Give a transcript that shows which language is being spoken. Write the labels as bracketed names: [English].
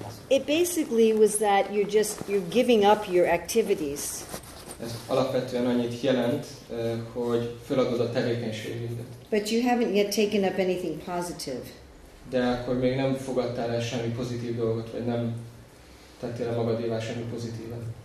[English] It basically was that you're giving up your activities. [Hungarian] Ez alapvetően annyit jelent, hogy feladod a tevékenységedet. [English] But you haven't yet taken up anything positive. [Hungarian] De akkor még nem fogadtál el semmi pozitív dolgot, vagy nem tettél el magadévá semmi pozitívat.